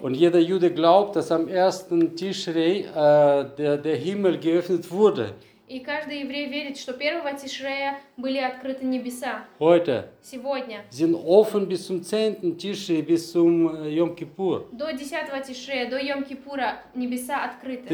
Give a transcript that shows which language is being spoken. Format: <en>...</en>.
<de>Und jeder Jude glaubt, dass am ersten Tischrei der Himmel geöffnet wurde.</de> <ru>И каждый еврей верит, что первого Тишрея были открыты небеса.</ru> <de>Heute.</de> <ru>Сегодня.</ru> <de>Sind offen bis zum 10. Tischrei, bis zum Yom Kippur.</de> <ru>До 10-го Тишрея, до Йом Кипура небеса открыты.</ru>